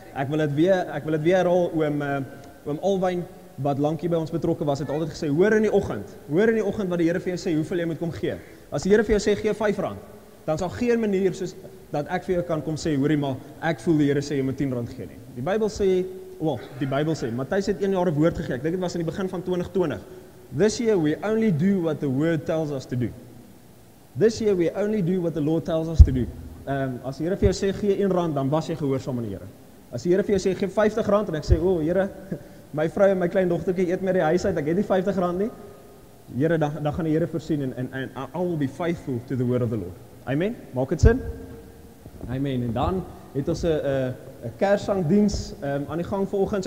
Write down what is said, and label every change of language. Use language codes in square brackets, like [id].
[af] Ek wil dit weer herhaal oom Alwyn wat lankie by ons betrokke was, het altyd gesê, hoor in die oggend wat die Here vir jou sê hoeveel jy moet kom gee. As die Here vir jou sê gee 5 rand, dan sal geen manier soos dat ek vir jou kan kom sê, hoorie maar, ek voel die Here sê jy moet 10 rand gee nie. Die Bybel sê, Matthys het 1 jaar 'n woord gegee. Ek dink dit was in die begin van 2020. [en] This year we only do what the word tells us to do. This year we only do what the Lord tells us to do. [af] As die Here vir jou sê gee 1 rand, dan was jy gehoorsaam aan die Here. As die Here vir jou sê gee 50 rand en ek sê, "O Here, my vrou en my klein dogtertjie eet met die huis uit. Ek het nie 50 rand nie." Here, dan gaan die Here voorsien [en] and I will be faithful to the word of the Lord. [af] Amen. Maak dit sin? Amen. En dan het ons 'n kerssangdiens aan die gang vanoggend.